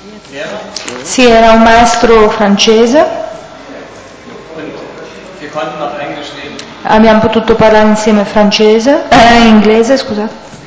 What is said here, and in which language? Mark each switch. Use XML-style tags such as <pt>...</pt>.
<de>Lehrer.</de> <it>Sì, era un maestro francese.</it> <de>Und wir konnten auf Englisch reden.</de> <it>Abbiamo potuto parlare insieme francese, inglese, scusate.</it>